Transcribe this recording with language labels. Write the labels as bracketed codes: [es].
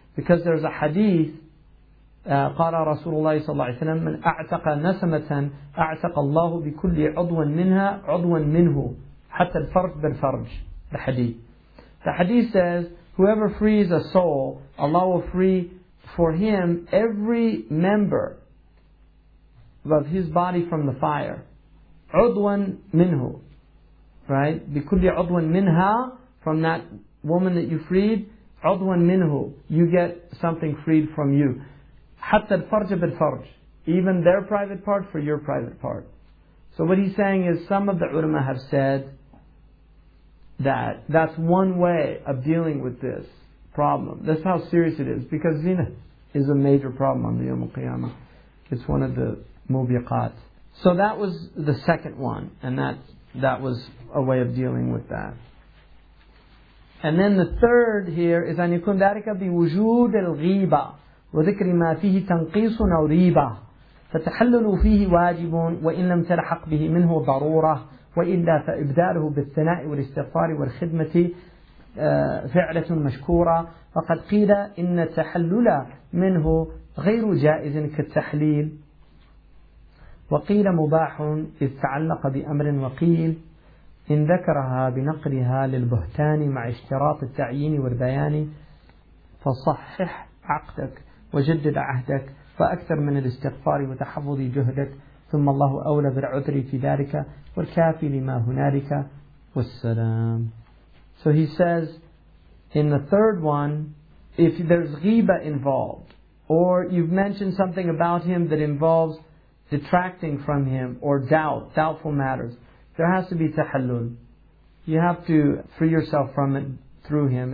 [en] Because there's a hadith, [ar] قَالَ رَسُولُ اللَّهِ صَلَّى اللَّهِ عَلَيْهِ وَسَلَّمَ مَنْ أَعْتَقَ نَسَمَةً أَعْتَقَ اللَّهُ بِكُلِّ عُضْوًا مِنْهَا عُضْوًا مِنْهُ حَتَّى الْفَرْجِ بِالْفَرْجِ. [en] The hadith. The hadith says, whoever frees a soul, Allah will free for him every member of his body from the fire. [ar] عُضْوًا مِنْهُ. Right? بِكُلِّ عُضْوًا مِنْهَا. [en] From that woman that you freed, [ar] عُضْوًا مِنْهُ. [en] You get something freed from you. [ar] حتى الفرج بالفرج. [en] Even their private part for your private part. So what he's saying is some of the ulama have said that's one way of dealing with this problem. That's how serious it is. Because zina is a major problem on the Yawm al-Qiyamah. It's one of the mubiqat. So that was the second one. And that was a way of dealing with that. And then the third here is [ar] أن يكون ذلك بوجود الغيبة. وذكر ما فيه تنقيص أو ريبة فتحلل فيه واجب وإن لم تلحق به منه ضرورة وإلا فإبداله بالثناء والاستغفار والخدمة فعلة مشكورة فقد قيل إن التحلل منه غير جائز كالتحليل وقيل مباح إذ تعلق بأمر وقيل إن ذكرها بنقلها للبهتان مع اشتراط التعيين والبيان فصحح عقدك وجدد عهدك فأكثر من الاستغفار وتحفظ جهدك ثم الله أولى بالعذر في ذلك والكافي لما هنالك والسلام. [en] So he says, in the third one, if there's ghiba involved, or you've mentioned something about him that involves detracting from him, or doubtful matters, there has to be tahallul. You have to free yourself from it through him.